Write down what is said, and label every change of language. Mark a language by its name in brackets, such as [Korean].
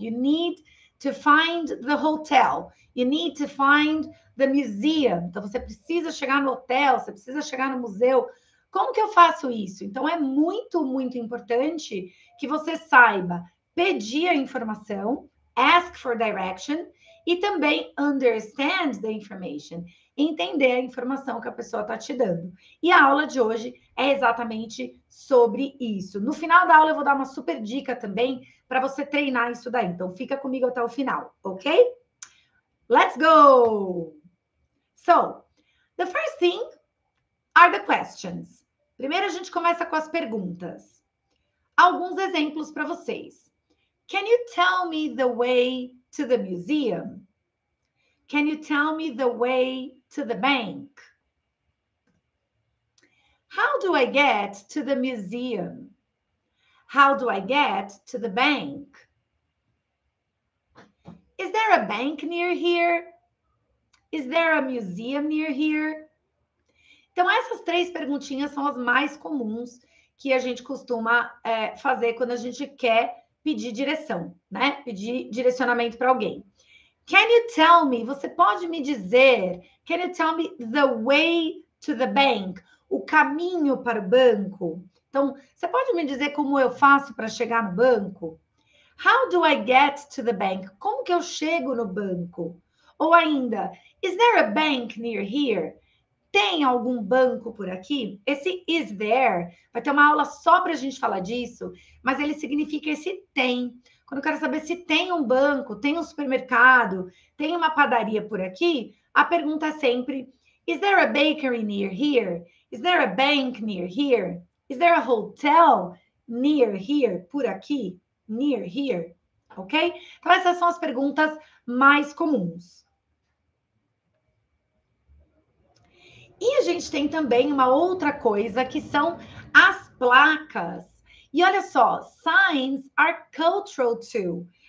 [English] You need to find the hotel. You need to find the museum. [Portuguese] Então você precisa chegar no hotel, você precisa chegar no museu. Como que eu faço isso? Então é muito, muito importante que você saiba pedir a informação, [English] ask for direction, [Portuguese] e também [English] understand the information, [Portuguese] entender a informação que a pessoa está te dando. E a aula de hoje é exatamente sobre isso. No final da aula, eu vou dar uma super dica também para você treinar isso daí. Então, fica comigo até o final, ok? [English] Let's go! So, the first thing are the questions. [Portuguese] Primeiro, a gente começa com as perguntas. Alguns exemplos para vocês. [English] Can you tell me the way to the museum? Can you tell me the way to the bank? How do I get to the museum? How do I get to the bank? Is there a bank near here? Is there a museum near here? [Portuguese] Então, essas três perguntinhas são as mais comuns que a gente costuma fazer quando a gente quer pedir direção, né? Pedir direcionamento para alguém. [English] Can you tell me? [Portuguese] Você pode me dizer? [English] Can you tell me the way to the bank? [Portuguese] O caminho para o banco? Então, você pode me dizer como eu faço para chegar no banco? [English] How do I get to the bank? [Portuguese] Como que eu chego no banco? Ou ainda, [English] is there a bank near here? [Portuguese] Tem algum banco por aqui? Esse is there vai ter uma aula só para a gente falar disso, mas ele significa esse tem. Quando eu quero saber se tem um banco, tem um supermercado, tem uma padaria por aqui, a pergunta é sempre: [English] is there a bakery near here? Is there a bank near here? Is there a hotel near here? [Portuguese] Por aqui? [English] Near here? [Portuguese] Ok? Então, essas são as perguntas mais comuns. E a gente tem também uma outra coisa que são as placas. E olha só, [English] signs are cultural too.